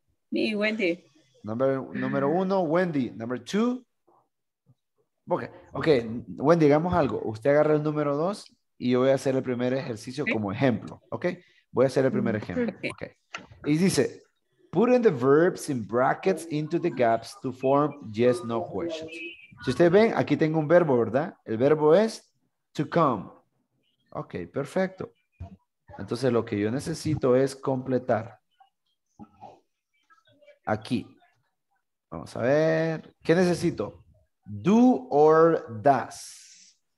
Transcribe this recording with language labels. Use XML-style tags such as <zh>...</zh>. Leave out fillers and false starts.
<en>Me, Wendy.</en> <es>Número uno, Wendy.</es> <en>Number two.</en> <es>Okay, Wendy, digamos algo. Usted agarra el número dos y yo voy a hacer el primer ejercicio como ejemplo. Okay, voy a hacer el primer ejemplo.</es> <en>Okay.</en> <es>Y dice,</es> <en>put in the verbs in brackets into the gaps to form yes, no questions.</en> <es>Si ustedes ven, aquí tengo un verbo, ¿verdad? El verbo es to come. Okay, perfecto. Entonces lo que yo necesito es completar. Aquí. Vamos a ver. ¿Qué necesito?</es> <en>Do or does?</en>